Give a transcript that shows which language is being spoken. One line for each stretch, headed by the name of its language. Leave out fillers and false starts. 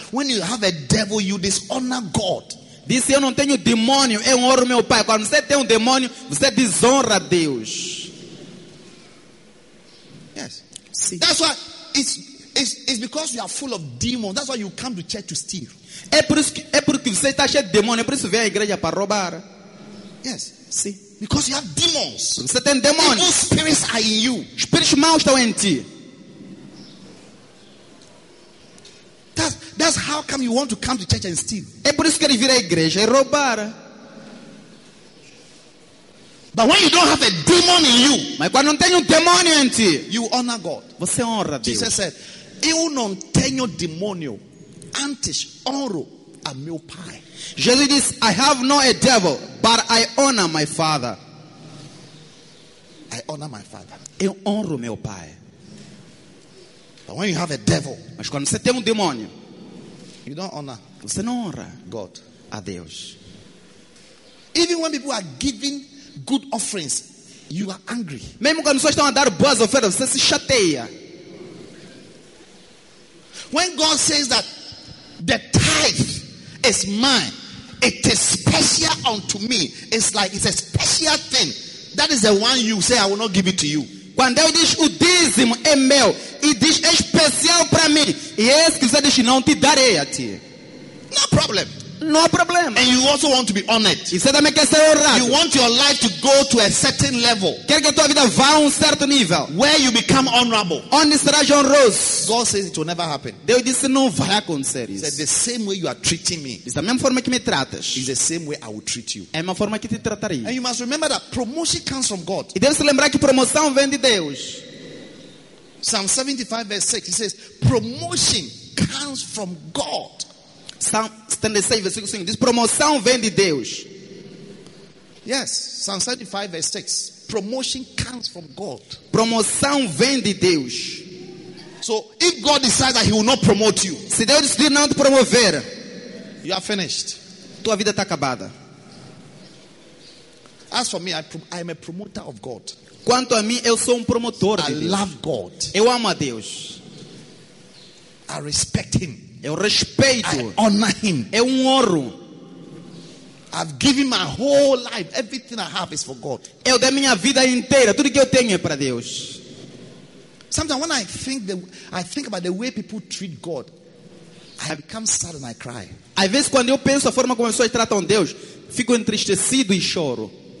English: When you have a devil, you dishonor God.
Portuguese: Disse, eu não tenho demônio, eu honro meu Pai. Quando você tem demônio, você desonra Deus.
English: Yes.
Portuguese: Sim.
English: That's why it's because you are full of demons. That's why you come to church to steal.
Portuguese: É porque você está cheio de demônio. É por isso que vem à igreja para roubar.
English: Yes.
Portuguese: Sim.
English: Because you have demons.
Portuguese: Porque você tem demônio.
English: Evil spirits are in you.
Portuguese: Espíritos maus estão em ti.
English: That's how come you want to come to church and steal.
Portuguese: É por isso que ele vira à igreja e roubar.
English: But when you don't have a demon in you,
Portuguese: mas quando não tenho demônio em ti,
English: you honor God.
Portuguese: Você honra Deus.
English: Jesus said,
Portuguese: eu não tenho demônio, antes honro a meu Pai. Jesus diz,
English: I have no a devil, but I honor my Father. I honor my Father.
Portuguese: Eu honro meu Pai.
English: But when you have a devil,
Portuguese: mas quando você tem demônio,
English: you don't honor.
Portuguese: Você não honra
English: God,
Portuguese: a Deus.
English: Even when people are giving good offerings, you are angry.
Portuguese: Mesmo quando vocês estão a dar boas ofertas, você se chateia.
English: When God says that the tithe is mine, it is special unto me. It's like it's a special thing. That is the one you say, I will not give it to you.
Portuguese: Quando ele diz o dízimo é meu, e diz é especial para mim, e esse que você diz não te darei a ti.
English: No problem. No problem. And you also want to be honored.
Portuguese: E você também quer ser honrado.
English: You want your life to go to a certain level.
Portuguese: Quer que a tua vida vá a certo nível.
English: Where you become honorable.
Portuguese: Onde serás honroso.
English: God says it will never happen.
Portuguese: Deus disse não vai acontecer isso.
English: He said, the same way you are treating me.
Portuguese: Da mesma forma que me tratas.
English: Is the same way I will treat you.
Portuguese: É a mesma forma que te tratarei.
English: And you must remember that promotion comes from God.
Portuguese: E deve se lembrar que promoção vem de Deus.
English: Psalm 75 verse 6. He says, promotion comes from God. Psalm 76, verse 6. This promotion
Portuguese: vem de Deus.
English: Yes, Psalm 75, verse 6. Promotion comes from God.
Portuguese: Promoção vem de Deus.
English: So, if God decides that He will not promote you,
Portuguese: se Deus decidir não te promover,
English: you are finished.
Portuguese: Tua vida está acabada.
English: As for me, I am a promoter of God.
Portuguese: Quanto a mim, eu sou promotor de Deus.
English: I love God.
Portuguese: Eu amo a Deus.
English: I respect Him.
Portuguese: Eu respeito.
English: I honor Him.
Portuguese: Eu honro.
English: I've given my whole life. Everything I have is for God.
Portuguese: Eu dei minha vida inteira. Tudo que eu tenho é para Deus.
English: Sometimes when I think about the way people treat God, I become sad and I cry.
Portuguese: Às vezes quando eu penso a forma como as pessoas tratam Deus, fico entristecido e choro.